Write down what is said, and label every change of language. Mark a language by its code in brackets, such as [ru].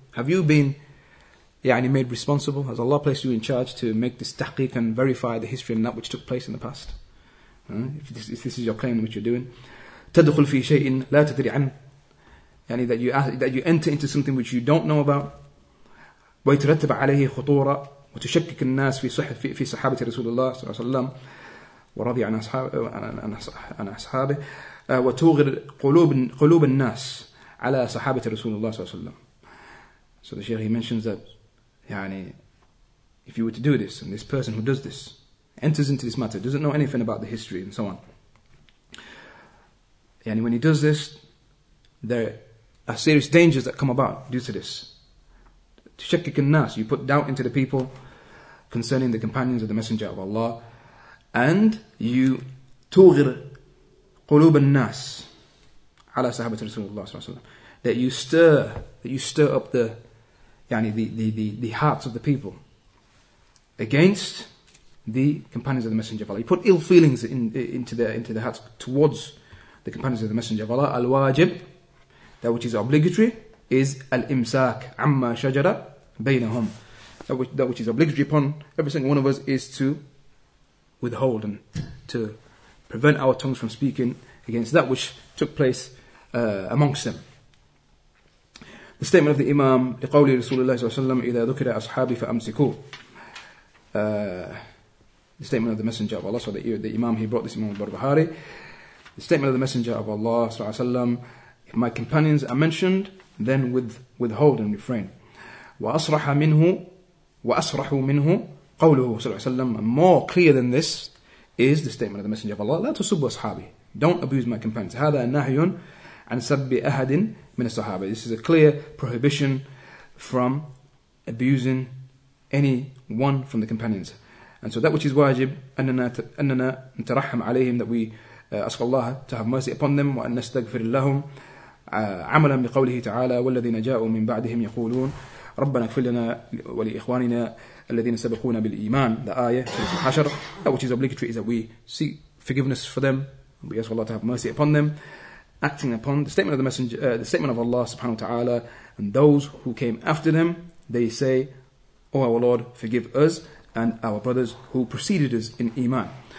[en] Have you been made responsible? Has Allah placed you in charge to make this tahqiq and verify the history and that which took place in the past? If this is your claim, what you're doing. [ar] تدخل في شيء لا تدري عن. يعني [en] that you enter into something which you don't know about. [ar] ويترتب عليه خطورة وتشكك الناس في صحابة رسول الله صلى الله عليه وسلم ورضي عن أصحابه وتوغر قلوب الناس على صحابة رسول الله صلى الله عليه وسلم. [en] So the Sheikh, he mentions that if you were to do this, and this person who does this, enters into this matter, doesn't know anything about the history and so on. And when he does this, there are serious dangers that come about due to this. [ar] تشكك الناس, [en] you put doubt into the people concerning the companions of the Messenger of Allah. And you [ar] تغر قلوب الناس على صحابة رسول الله صلى الله عليه وسلم. [en] That you stir up the the hearts of the people against the companions of the Messenger of Allah. You put ill feelings into the hearts towards the companions of the Messenger of Allah. Al-wajib, that which is obligatory, is al-imsak amma shajara baynahum. That which is obligatory upon every single one of us is to withhold and to prevent our tongues from speaking against that which took place amongst them. The statement of the Imam, [ar] لقول رسول الله صلى الله عليه وسلم, إذا ذكر أصحابي فأمسكوا. [en] The statement of the Messenger of Allah, so the Imam, he brought this Imam al-Barbahari. The statement of the Messenger of Allah, [ar] صلى الله عليه وسلم, [en] if my companions are mentioned, then withhold and refrain. [ar] وأصرح منه قوله, صلى الله عليه وسلم, [en] and more clear than this is the statement of the Messenger of Allah, [ar] لا تسبوا أصحابي, [en] don't abuse my companions. [ar] هذا نهي عن سب أحد من الصحابة. [en] This is a clear prohibition from abusing any one from the companions. And so that which is wajib, [ar] أننا نترحم عليهم, [en] that we ask Allah to have mercy upon them, [ar] وأن نستغفر لهم عملا بقوله تعالى, والذين جاءوا من بعدهم يقولون ربنا اغفر لنا ولإخواننا الذين سبقونا بالإيمان. [en] The ayah, that which is obligatory, is that we seek forgiveness for them, we ask Allah to have mercy upon them, acting upon the statement of the Messenger, the statement of Allah subhanahu wa ta'ala, and those who came after them, they say, O our Lord, forgive us and our brothers who preceded us in iman.